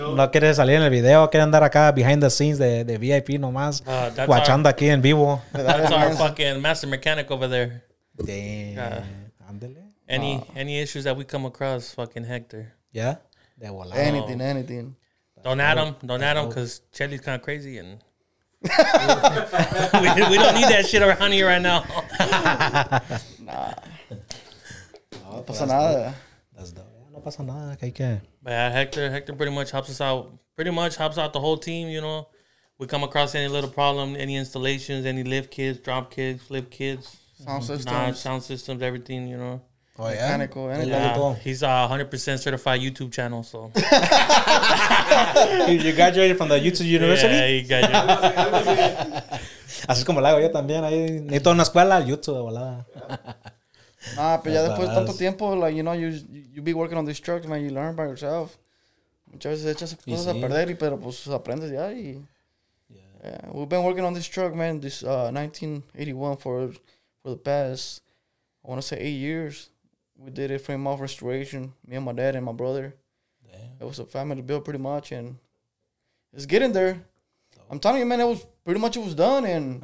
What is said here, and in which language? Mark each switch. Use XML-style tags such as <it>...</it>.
<es>No quiere salir en el video, quiere andar acá</es> <en>behind the scenes</en> <es>de VIP nomás, guachando aquí en vivo.</es> <en>That's our fucking master mechanic over there. Damn. Any issues that we come across, fucking Hector. Yeah? They will lie. Anything. Don't add him, because Chelly's kind of crazy, and we don't need that shit around here right now.</en> <es>Nah. No pasa nada.</es> <en>That's dope.</en> <es>No pasa nada, que hay que.</es> <en>But yeah, Hector pretty much helps us out. Pretty much helps out the whole team, you know. We come across any little problem, any installations, any lift kits, drop kits, flip kits. Sound systems, everything, you know. Oh, yeah. Mechanical, yeah. He's a 100% certified YouTube channel, so. You graduated from the YouTube University? Yeah, he graduated.</en> <es>Así como lo hago yo también. Ahí necesito una escuela, YouTube, volada.</es> <en>Nah,</en> <es>pero ya después de tanto tiempo,</es> <en>like, you know, you be working on these trucks, man, you learn by yourself.</en> <es>Muchas veces echas cosas a perder, pero pues aprendes ya.</es> <en>Yeah. We've been working on this truck, man, this 1981 for the past, I want to say, 8 years. We did it frame off restoration, me and my dad and my brother. Damn. It was a family build pretty much, and it's getting there. Dope. I'm telling you, man, it was pretty much done, and</en>